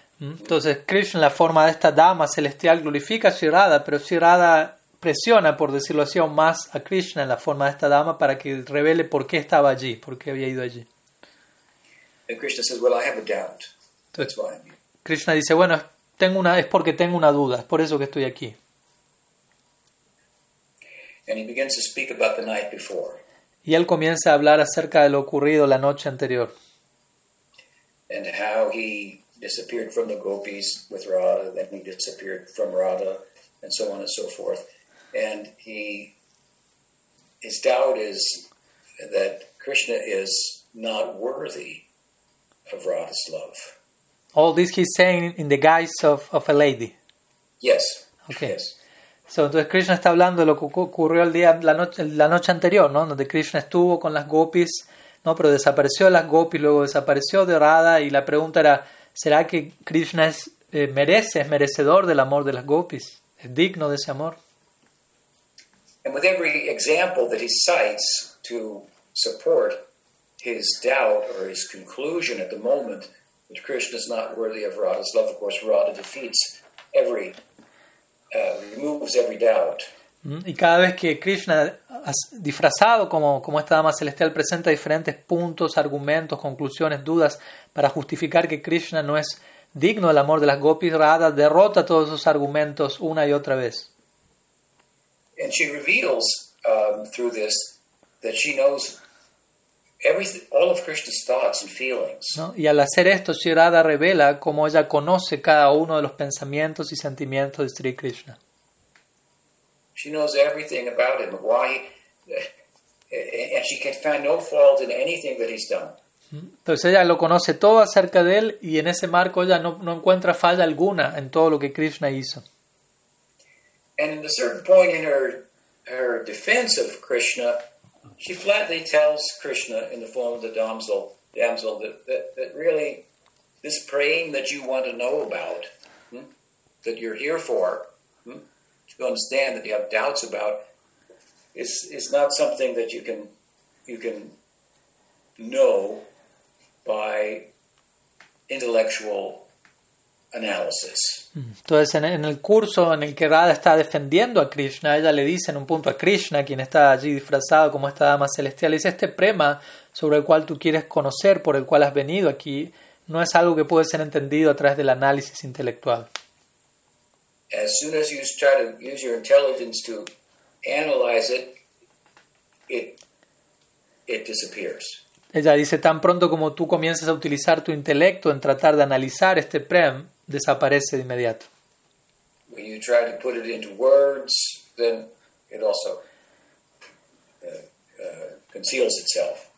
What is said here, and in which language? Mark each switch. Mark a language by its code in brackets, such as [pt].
[es] Entonces Krishna, en la forma de esta dama celestial, glorifica a Sri Radha, pero Sri Radha presiona, por decirlo así, aún más a Krishna en la forma de esta dama para que revele por qué estaba allí, por qué había ido allí. [en] And Krishna says, well, I have a doubt. That's why I'm here. [es] Krishna dice, bueno, es porque tengo una duda, es por eso que estoy aquí. [en] And he begins to speak about the night before. [es] Y él comienza a hablar acerca de lo ocurrido la noche anterior. [en] And how he disappeared from the gopis with Radha, then he disappeared from Radha, and so on and so forth. And his doubt is that Krishna is not worthy of Radha's love. All this he's saying in the guise of a lady. Yes. Okay. Yes. [es] So, entonces Krishna está hablando de lo que ocurrió la noche anterior, ¿no? Donde Krishna estuvo con las gopis, ¿no? Pero desapareció de las gopis, luego desapareció de Radha, y la pregunta era, ¿será que Krishna es merecedor del amor de las gopis? ¿Es digno de ese amor? [en] And with every example that he cites to support his doubt or his conclusion at the moment that Krishna is not worthy of Radha's love, of course Radha defeats every, removes every doubt. [es] Y cada vez que Krishna, disfrazado como esta dama celestial, presenta diferentes puntos, argumentos, conclusiones, dudas para justificar que Krishna no es digno del amor de las gopis, Radha derrota todos esos argumentos una y otra vez. [en] And she reveals through this that she knows all of Krishna's thoughts and feelings. [es] ¿No? Y al hacer esto, Sri Radha revela cómo ella conoce cada uno de los pensamientos y sentimientos de Sri Krishna. [en] She knows everything about him, why, and she can find no fault in anything that he's done. [es] Entonces ella lo conoce todo acerca de él y en ese marco ella no encuentra falla alguna en todo lo que Krishna hizo. [en] And at a certain point in her defense of Krishna, she flatly tells Krishna in the form of the damsel that really this praying that you want to know about, that you're here for, to understand that you have doubts about, is not something that you can know by intellectual analysis. [es] Entonces, en el curso en el que Radha está defendiendo a Krishna, ella le dice en un punto a Krishna, quien está allí disfrazado como esta dama celestial, le dice, este prema sobre el cual tú quieres conocer, por el cual has venido aquí, no es algo que puede ser entendido a través del análisis intelectual. [en] As soon as you try to use your intelligence to analyze it, it disappears. [es] Ella dice, tan pronto como tú comienzas a utilizar tu intelecto en tratar de analizar este prem, desaparece de inmediato. [en] When you try to put it into words, then it also conceals itself.